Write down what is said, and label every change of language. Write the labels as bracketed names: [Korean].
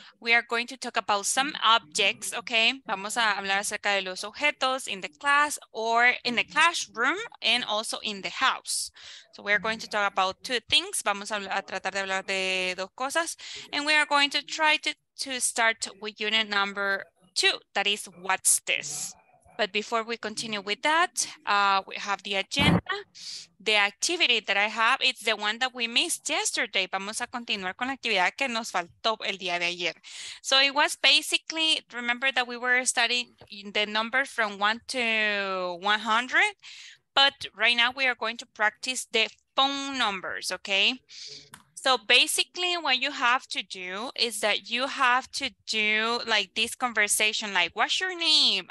[English] We are going to talk about some objects, okay? [Spanish] Vamos a hablar acerca de los objetos [English] in the class or in the classroom and also in the house. So we are going to talk about two things. [Spanish] Vamos a tratar de hablar de dos cosas. [English] And we are going to try to start with unit number two. That is, what's this? But before we continue with that, we have the agenda. The activity that I have, it's the one that we missed yesterday. [Spanish] Vamos a continuar con la actividad que nos faltó el día de ayer. [English] So it was basically, remember that we were studying the numbers from 1 to 100, but right now we are going to practice the phone numbers, okay? So basically what you have to do is that you have to do like this conversation, like, what's your name?